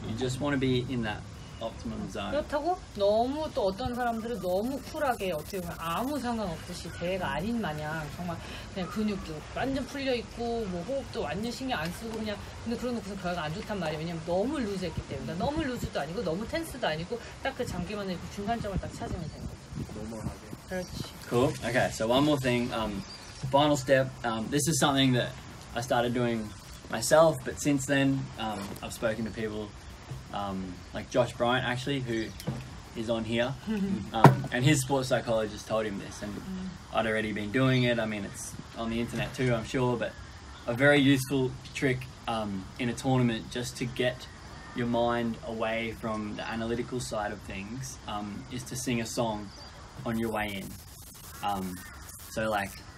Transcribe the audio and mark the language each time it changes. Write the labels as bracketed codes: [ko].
[en] You just want to be in that optimum zone. [ko] 그렇다고 너무 또 어떤 사람들은 너무 쿨하게 어떻게 보면 아무 상관없듯이 대회가 아닌 마냥 정말 그냥 근육도 완전 풀려있고 뭐 호흡도 완전 신경 안 쓰고 그냥 근데 그러놓고서 결과가 안 좋단 말이에요. 왜냐면 너무 루즈했기 때문에 너무 루즈도 아니고 너무 텐스도 아니고 딱 그 장기만의 그 중간점을 딱 찾으면 되는 거죠. 노멀하게. [en] Cool. Okay, so one more thing. Final step. This is something that I started doing myself, but since then I've spoken to people like Josh Bryant, actually, who is on here, and his sports psychologist told him this, and I'd already been doing it. I mean, it's on the internet too, I'm sure, but a very useful trick in a tournament just to get your mind away from the analytical side of things is to sing a song on your way in. So like